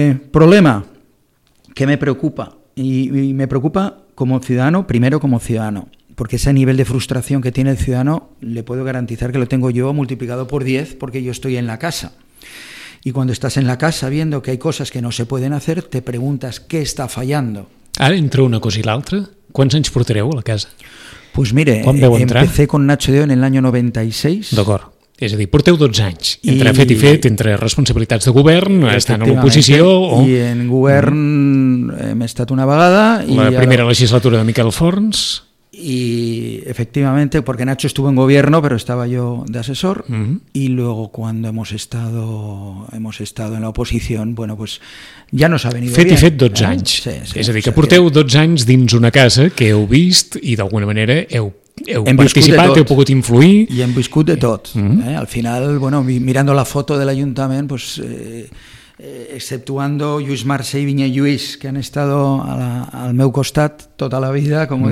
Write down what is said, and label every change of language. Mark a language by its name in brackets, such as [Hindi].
[Spanish] Problema que me preocupa, i me preocupa [Catalan] com a [Spanish] ciudadano, porque ese nivel de frustración que tiene el ciudadano, le puedo garantizar que lo tengo yo multiplicado por 10, porque yo estoy en la casa. Y cuando estás en la casa viendo que hay cosas que no se pueden hacer, te preguntas qué está fallando. [Catalan] Ara, entre una cosa i l'altra, quants anys portareu a la casa? [Spanish] Pues mire, empecé con Nacho Deo en el año 96. [Catalan] D'acord. És a dir, porteu 12 anys, entre fet i fet, entre responsabilitats de govern, estan a l'oposició... I en govern hem estat una vegada... La primera legislatura de Miquel Forns... [Spanish] Y efectivamente, porque Nacho estuvo en gobierno, pero estaba yo de asesor, uh-huh. Y luego cuando hemos estado en la oposición, bueno, pues ya nos ha venido [Catalan] fet [Spanish] bien. [Catalan] Fet i fet 12 anys. Sí, és a dir, que porteu 12 anys dins una casa que heu vist i d'alguna manera heu participat, heu pogut influir. I hem viscut de tot. Uh-huh. [Spanish] Al final, bueno, mirando la foto [Catalan] de l'Ajuntament, pues... [Spanish] exceptuando Lluís Marce i Vinyet Lluís, que han estado [Catalan] al meu costat tota la vida, com [Spanish] uh-huh.